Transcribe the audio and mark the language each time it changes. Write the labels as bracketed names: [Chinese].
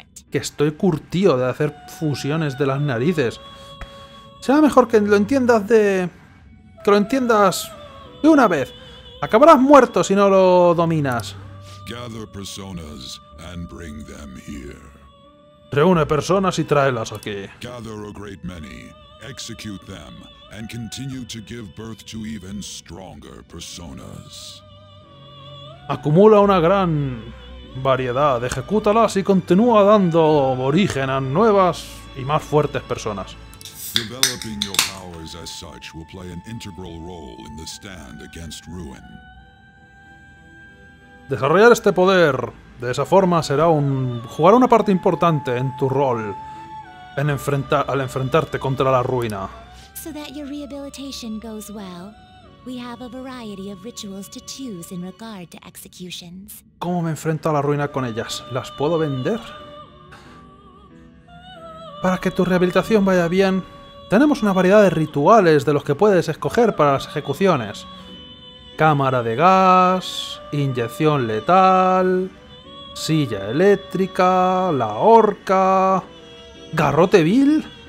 [Spanish] Que estoy curtido de hacer fusiones de las narices. Será mejor que lo entiendas de... Que lo entiendas de una vez. Acabarás muerto si no lo dominas. [English] Gather personas and bring them here. [Spanish] Reúne personas y tráelas aquí. [English] Gather a great many, execute them, and continue to give birth to even stronger personas. [Spanish] Acumula una gran variedad, ejecútalas y continúa dando origen a nuevas y más fuertes personas. [English] Developing your powers as such will play an integral role in the stand against ruin. [Spanish] Desarrollar este poder de esa forma será un... jugar una parte importante en tu rol en al enfrentarte contra la ruina. [English] So that your rehabilitation goes well, we have a variety of rituals to choose in regard to executions. [Spanish] ¿Cómo me enfrento a la ruina con ellas? ¿Las puedo vender? Para que tu rehabilitación vaya bien, tenemos una variedad de rituales de los que puedes escoger para las ejecuciones. Cámara de gas, inyección letal, silla eléctrica, la horca... ¿Garrote vil?